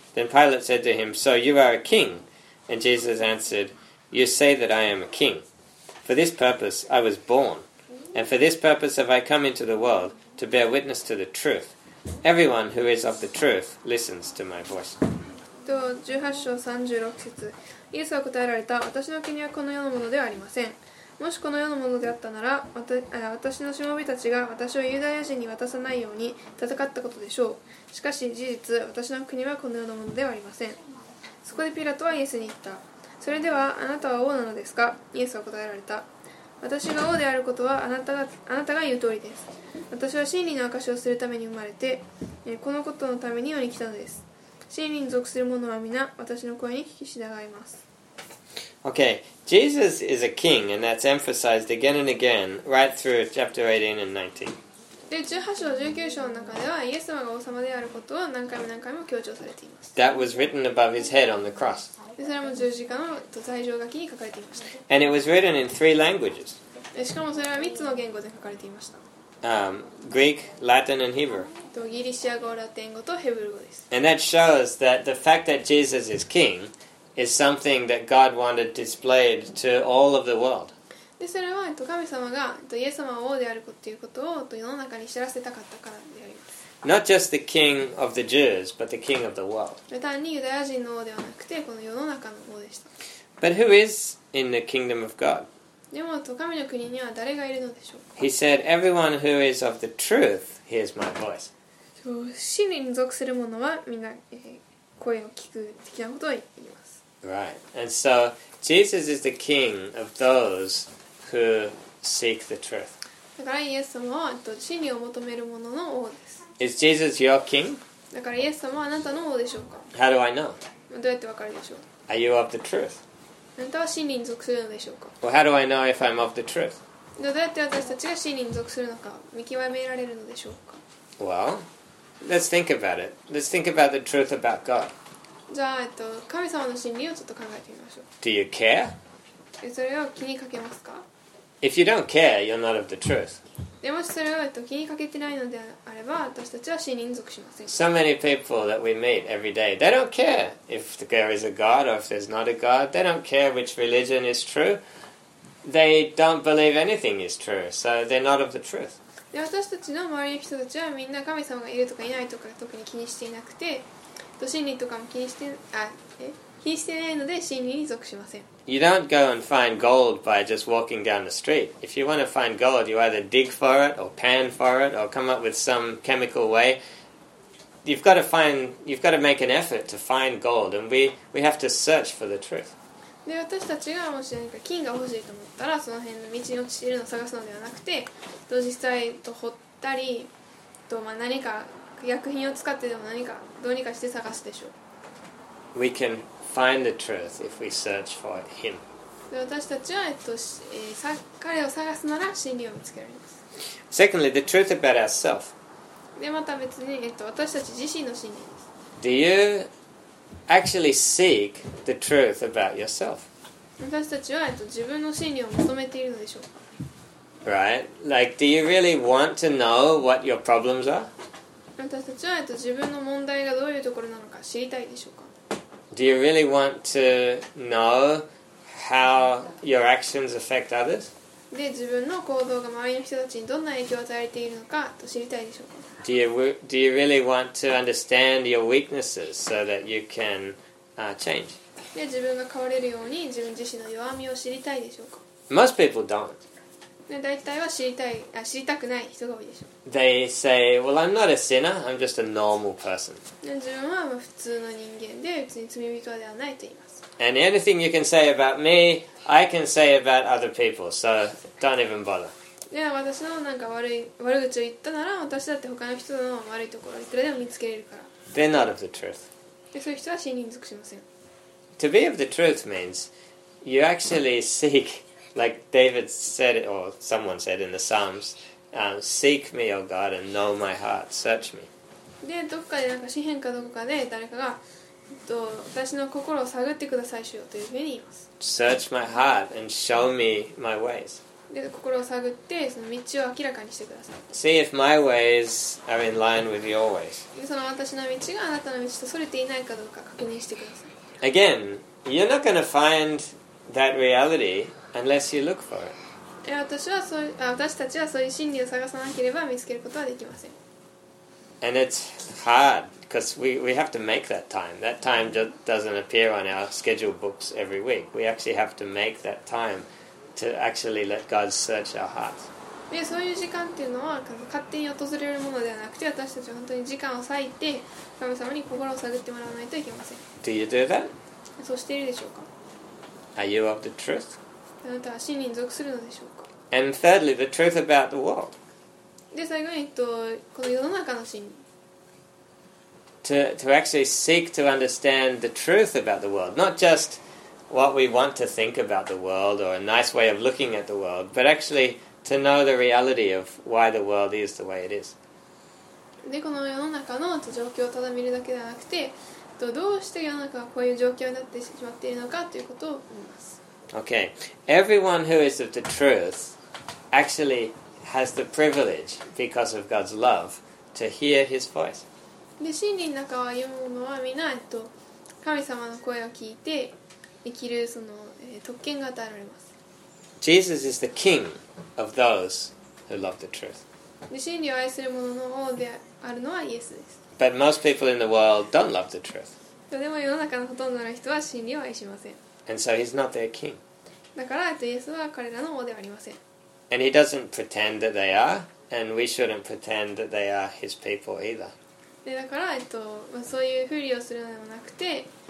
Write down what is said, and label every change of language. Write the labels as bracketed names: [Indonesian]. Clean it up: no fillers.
[English] Then Pilate said to him, So you are a king? And Jesus answered, You say that I am a king. For this purpose I was born, and for this purpose have I come into the world, to bear witness to the truth. Everyone who is of the truth listens to my voice. [Japanese] 18章36節、イエスは答えられた、私の国はこの世のものではありません。もしこの世のものであったなら、私のしもべたちが私をユダヤ人に渡さないように戦ったことでしょう。しかし事実、私の国はこの世のものではありません。そこでピラトはイエスに言った。それではあなたは王なのですか？イエスは答えられた。私が王であることはあなたが言う通りです。私は真理の証をするために生まれて、このことのために世に来たのです。真理に属する者は皆私の声に聞き従います。 [English] Okay, Jesus is a king, and that's emphasized again and again right through chapter 18 and 19. [Japanese] で、18章、19章の中では、イエス様が王様であることは何回も何回も強調されています。 [English] That was written above his head on the cross. [Japanese] で、それも十字架の土台上書きに書かれていました。 [English] And it was written in three languages. [Japanese] で、しかもそれは3つの言語で書かれていました。 [English] Greek, Latin, and Hebrew. [Japanese] とギリシア語、ラテン語とヘブル語です。 [English] And that shows that the fact that Jesus is king is something that God wanted displayed to all of the world. [Japanese] で、それは、神様が、イエス様は王であるということを、世の中に知らせたかったからであります。 [English] Not just the king of the Jews, but the king of the world. [Japanese] 単にユダヤ人の王ではなくて、この世の中の王でした。 [English] But who is in the kingdom of God? [Japanese] でも、神の国には誰がいるのでしょうか。 [English] He said, Everyone who is of the truth hears my voice. [Japanese] 真理に属する者はみんな、声を聞く的なことを言います。 [English] Right. And so, Jesus is the king of those who seek the truth. [Japanese] だから、イエス様は真理を求める者の王です。 [English] Is Jesus your king? [Japanese] だから、イエス様はあなたの王でしょうか。 [English] How do I know? [Japanese] どうやってわかるでしょう。 [English] Are you of the truth? [Japanese] あなたは真理に属するのでしょうか。 [English] Well, how do I know if I'm of the truth? [Japanese] どうやって私たちが真理に属するのか見極められるのでしょうか。 [English] Well, let's think about it. Let's think about the truth about God. [Japanese] じゃあ、神様の真理をちょっと考えてみましょう。 [English] Do you care? [Japanese] それを気にかけますか。 [English] If you don't care, you're not of the truth. [Japanese] でもしそれを気にかけてないのであれば、私たちは真理に属しません。 [English] So many people that we meet every day, they don't care if there is a God or if there's not a God. They don't care which religion is true. They don't believe anything is true, so they're not of the truth. [Japanese] で、私たちの周りの人たちはみんな神様がいるとかいないとか特に気にしていなくて、真理とかも気にしてないので真理に属しません。 [English] You don't go and find gold by just walking down the street. If you want to find gold, you either dig for it or pan for it or come up with some chemical way. You've got to make an effort to find gold, and we have to search for the truth. [Japanese] で、私たちがもし何か金が欲しいと思ったら、その辺の道に落ちているのを探すのではなくて、実際と掘ったり、まあ何か薬品を使ってでも何かどうにかして探すでしょう。 [English] We can. Find the truth if we search for him. [Japanese] 私たちは、彼を探すなら真理を見つけられます。 [English] Secondly, the truth about ourselves. [Japanese] で、また別に、私たち自身の真理です。 [English] Do you actually seek the truth about yourself? [Japanese] 私たちは、自分の真理を求めているのでしょうか。 [English] Right? Like, do you really want to know what your problems are? [Japanese] 私たちは、自分の問題がどういうところなのか知りたいでしょうか。 [English] Do you really want to know how your actions affect others? [Japanese] で、自分の行動が周りの人たちにどんな影響を与えているのかと知りたいでしょうか。 [English] Do you really want to understand your weaknesses so that you can change? [Japanese] で、自分が変われるように自分自身の弱みを知りたいでしょうか。 [English] Most people don't. [Japanese] で、大体は知りたくない人が多いでしょう。 [English] They say, well, I'm not a sinner, I'm just a normal person. [Japanese] 自分は普通の人間で、別に罪人ではないと言います。 [English] And anything you can say about me, I can say about other people, so don't even bother. [Japanese] いや、私のなんか悪口を言ったなら、私だって他の人の悪いところをいくらでも見つけれるから。 [English] They're not of the truth. [Japanese] で、そういう人は真理に属しません。 [English] To be of the truth means you actually seek, like David said, or someone said in the Psalms,seek me, O God, and know my heart. Search me. [Japanese] で、どこかでなんか詩篇かどこかで誰かが、私の心を探ってくださいしようというふうに言います。 [English] Search my heart and show me my ways. [Japanese] で心を探ってその道を明らかにしてください。 [English] See if my ways are in line with your ways. [Japanese] その私の道があなたの道とそれていないかどうか確認してください。 [English] Again, you're not going to find that reality unless you look for it. [Japanese] 私たちはそういう真理を探さなければ見つけることはできません。 [English] And it's hard because we have to make that time. That time just doesn't appear on our schedule books every week. We actually have to make that time. To actually let God search our hearts. [Japanese] でそういう時間っていうのは勝手に訪れるものではなくて、私たちは本当に時間を割いて神様に心を探ってもらわないといけません。 [English] Do you do that? [Japanese] そうしているでしょうか。 [English] Are you of the truth? [Japanese] あなたは真理に属するのでしょうか。 [English] And thirdly, the truth about the world. [Japanese] で最後に、この世の中の真理。 [English] To actually seek to understand the truth about the world, not justWhat we want to think about the world or a nice way of looking at the world, but actually to know the reality of why the world is the way it is. [Japanese] で、この世の中の状況をただ見るだけではなくて、どうして世の中がこういう状況になってしまっているのかということを見ます。 [English] Okay. Everyone who is of the truth actually has the privilege, because of God's love, to hear His voice. [Japanese] で、真理の中を歩む者はみんな、神様の声を聞いて、生きるその、特権が与えられます。 [English] Jesus is the king of those who love the truth. [Japanese] で、真理を愛する者の王であるのはイエスです。 [English] But most people in the world don't love the truth. [Japanese] でも世の中のほとんどの人は真理を愛しません。 [English] And so he's not their king. [Japanese] だから、イエスは彼らの王ではありません。 [English] And he doesn't pretend that they are, and we shouldn't pretend that they are his people either. [Japanese] で、だから、そういうふりをするのではなくて、